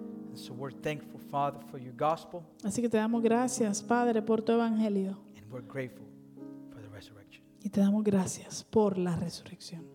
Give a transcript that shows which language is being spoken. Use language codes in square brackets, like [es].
[en] And so we're thankful, Father, for your gospel, [es] así que te damos gracias, Padre, por tu Evangelio, [en] and we're grateful for the resurrection. [es] Y te damos gracias por la resurrección.